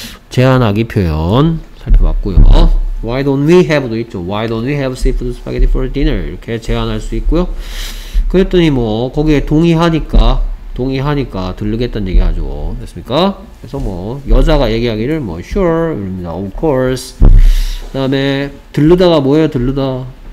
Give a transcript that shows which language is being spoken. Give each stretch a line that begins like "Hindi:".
Korean: 제안하기 표현 살펴봤고요.
English: Why don't we have도
Korean: 있죠.
English: Why don't we have seafood spaghetti for dinner?
Korean: 이렇게 제안할 수 있고요. 그랬더니 뭐 거기에 동의하니까 들르겠다는 얘기하죠. 됐습니까? 그래서 뭐 여자가 얘기하기를 뭐 sure 이릅니다.
English: Of course.
Korean: 그다음에 들르다가 뭐예요? 들르다.